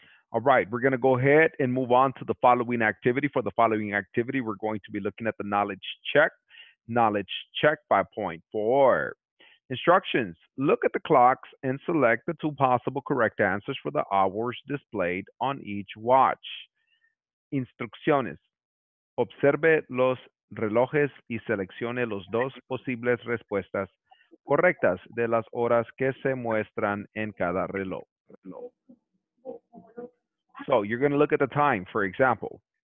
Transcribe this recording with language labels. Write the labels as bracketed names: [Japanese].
[English] All right, we're going to go ahead and move on to the following activity. For the following activity, we're going to be looking at the knowledge check. Knowledge check by point four. Instructions. Look at the clocks and select the two possible correct answers for the hours displayed on each watch. [Spanish] Instrucciones. Observe los relojes y seleccione los dos posibles respuestas correctas de las horas que se muestran en cada reloj. [English] So you're going to look at the time, for example.